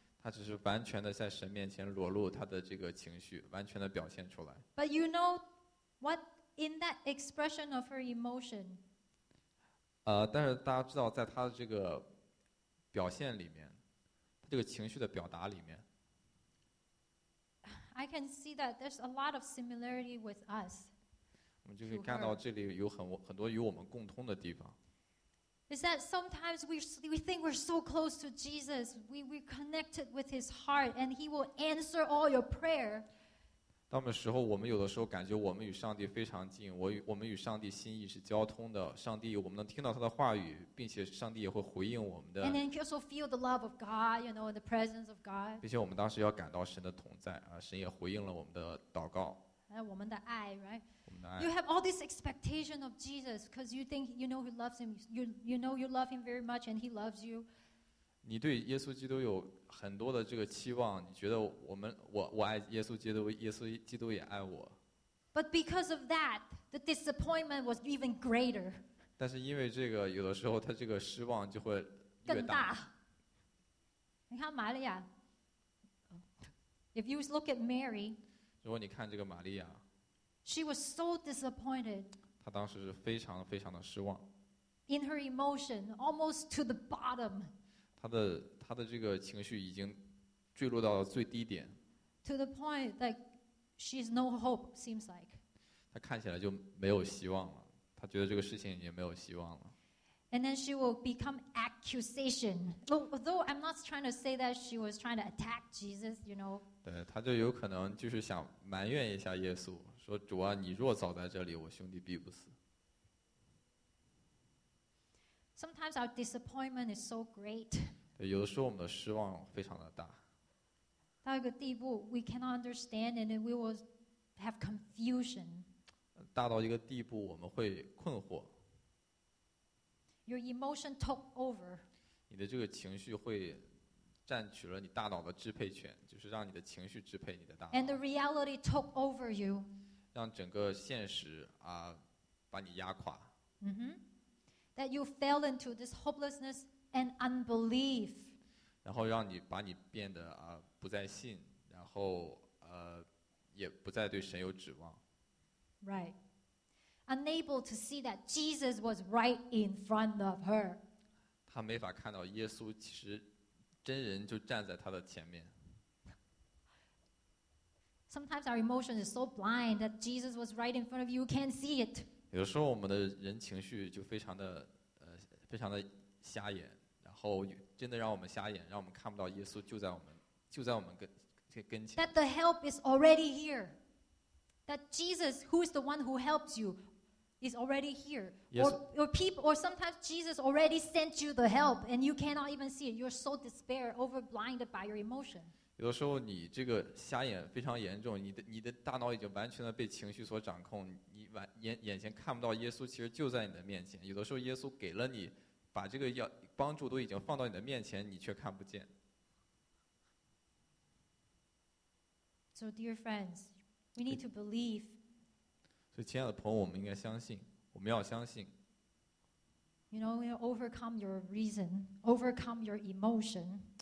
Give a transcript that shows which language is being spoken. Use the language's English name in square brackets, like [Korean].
[Chinese] 他只是完全的在神面前裸露他的这个情绪，完全的表现出来。 [English] But you know what? In that expression of her emotion. [Chinese] 但是大家知道，在他的这个表现里面，他这个情绪的表达里面 [English] ，I can see that there's a lot of similarity with us. [Chinese] 我们就可以看到这里有很多与我们共通的地方。 [English] Is that sometimes we think we're so close to Jesus, we connected with His heart, and He will answer all your prayer. [Chinese] 当我们时候，我们有的时候感觉我们与上帝非常近，我们与上帝心意是交通的，上帝我们能听到他的话语，并且上帝也会回应我们的。 [English] And then you also feel the love of God, you know, in the presence of God. [Chinese] 并且我们当时要感到神的同在啊，神也回应了我们的祷告。我们的爱 right? [English] You have all this expectation of Jesus because you think you know He loves Him. You know you love Him very much and He loves you. [Chinese] 你对耶稣基督有很多的这个期望，你觉得我爱耶稣基督，耶稣基督也爱我。 [English] But because of that, the disappointment was even greater. [Chinese] 但是因为这个，有的时候他这个失望就会更大。你看玛利亚 [English] ，If you look at Mary. [Chinese] 如果你看这个玛利亚 [English] ，She was so disappointed. [Chinese] 她当时是非常非常的失望。 [English] In her emotion, almost to the bottom. [Chinese] 她的这个情绪已经坠落到了最低点。 [English] To the point that she's no hope seems like. [Chinese] 她看起来就没有希望了，她觉得这个事情已经没有希望了。 [English] And then she will become accusation. Although I'm not trying to say that she was trying to attack Jesus, you know. [Chinese] 对，她就有可能就是想埋怨一下耶稣，说主啊，你若早在这里，我兄弟必不死。 [English] Sometimes our disappointment is so great. [Chinese] 对，有的时候我们的失望非常的大。到一个地步 [English] ，we cannot understand, and we will have confusion. [Chinese] 大到一个地步，我们会困惑。 [English] Your emotion took over. [Chinese] 你的这个情绪会占取了你大脑的支配权，就是让你的情绪支配你的大脑。 [English] And the reality took over you. [Chinese] 让整个现实啊，把你压垮。 [English] Mm-hmm. That you fell into this hopelessness and unbelief. [Chinese] 然后让你把你变得啊不再信，然后也不再对神有指望。 [English] Right. Unable to see that Jesus was right in front of her. [Chinese] 她没法看到耶稣其实真人就站在她的前面。 [English] Sometimes our emotions are so blind that Jesus was right in front of you, you can't see it. [Chinese] 有时候我们的人情绪就非常的非常的瞎眼，然后真的让我们瞎眼，让我们看不到耶稣就在我们跟前。 [English] That the help is already here. That Jesus, who is the one who helps you, is already here. Or sometimes Jesus already sent you the help, and you cannot even see it. You're so despair, overblinded by your emotion. [Chinese] 有的时候你这个瞎眼非常严重，你的大脑已经完全的被情绪所掌控，你眼前看不到耶稣其实就在你的面前，有的时候耶稣给了你把这个要帮助都已经放到你的面前，你却看不见。 [English] So dear friends, we need to believe. [Chinese] 所以亲爱的朋友，我们应该相信，我们要相信。 [English] You know, we overcome your reason, overcome your emotion.